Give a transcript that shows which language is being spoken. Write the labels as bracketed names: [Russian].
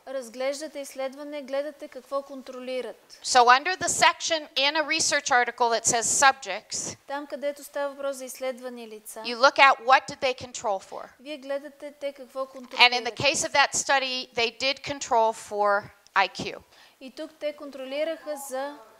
[Bulgarian] Разглеждате изследване, гледате какво контролират. [English] So under the section in a research article that says subjects, [Bulgarian] там където става въпрос за изследвани лица, [English] you look at what did they control for. [Bulgarian] Вие гледате те какво контролират. [English] And in the case of that study, they did control for IQ. [Bulgarian] И тук те контролираха за.